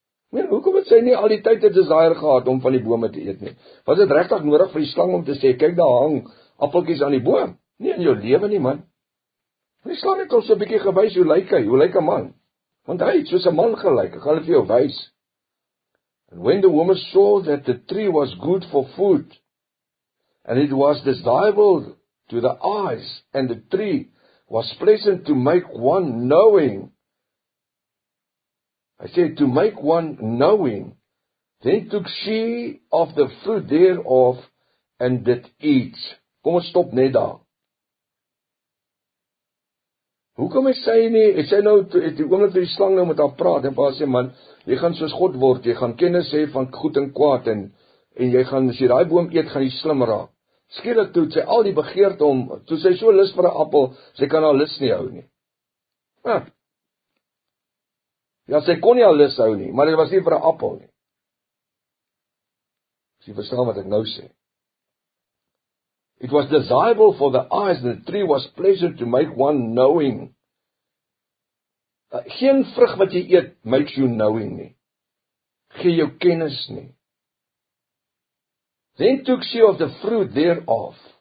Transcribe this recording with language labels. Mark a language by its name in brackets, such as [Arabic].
[Afrikaans] Nee, hoekom het sy nie al die tyd 'n desire gehad om van die bome te eet nie? Was dit regtig nodig vir die slang om te sê, kyk daar hang appeltjies aan die boom? Nie in jou lewe nie, man. Die slang het ons so 'n bietjie gewys hoe lyk hy, hoe lyk 'n man? Want hy het soos 'n man gelyk, ek gaan dit vir jou wys. [English] And when the woman saw that the tree was good for food, and it was desirable to the eyes, and the tree was pleasant to make one knowing, I say to make one knowing, then took she of the fruit thereof, and did eat. [Afrikaans] Kom ons stop net daar. Hoekom is sy nie, het sy nou, het die oomblik die slang nou met haar praat, en waar sê man, jy gaan soos God word, jy gaan kennis hê van goed en kwaad, en jy gaan, as jy daai boom eet, gaan jy slim raak. Skielik toe, sy al die begeerte om, toe sy so lus vir 'n appel, sy kan haar lus nie hou nie. Ja, sy kon nie haar lus hou nie, maar dit was nie vir 'n appel nie. Sy verstaan wat ek nou sê. [English] It was desirable for the eyes, the tree was pleasant to make one knowing. [Afrikaans] Geen vrug wat jy eet, [English] makes you knowing [Afrikaans] nie. Gee jou kennis nie. [English] Then took she of the fruit thereof.